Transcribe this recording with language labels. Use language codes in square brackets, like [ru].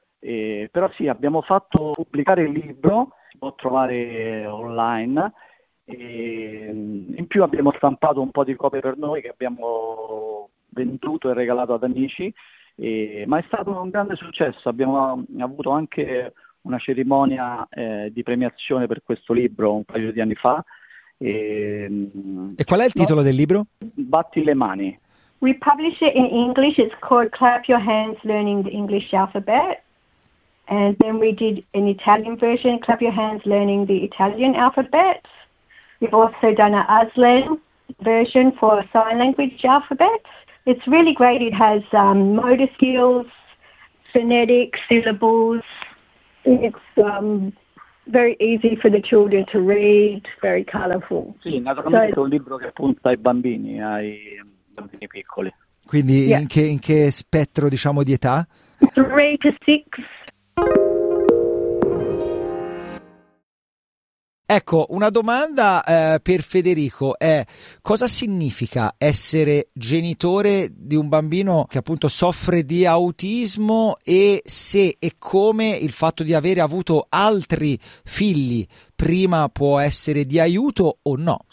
[it] Però sì, abbiamo fatto pubblicare il libro, si può trovare online, e in più abbiamo stampato un po' di copie per noi che abbiamo venduto e regalato ad amici, ma è stato un grande successo, abbiamo avuto anche una cerimonia di premiazione per questo libro un paio di anni fa, E qual è il titolo del libro? Batti le mani. [en] We publish it in English, it's called Clap Your Hands Learning the English Alphabet. And then we did an Italian version, Clap Your Hands Learning the Italian Alphabet. We've also done an Aslan version for sign language alphabets. It's really great. It has motor skills, phonetic syllables. It's very easy for the children to read, very colorful. [it] Sì, [en] So [it] naturalmente è un libro che punta ai bambini piccoli. quindi [en] Yeah. [it] in che spettro, diciamo, di età? [en] 3 to 6. [it] Ecco, una domanda, per Federico è: cosa significa essere genitore di un bambino che appunto soffre di autismo e se e come il fatto di avere avuto altri figli prima può essere di aiuto o no?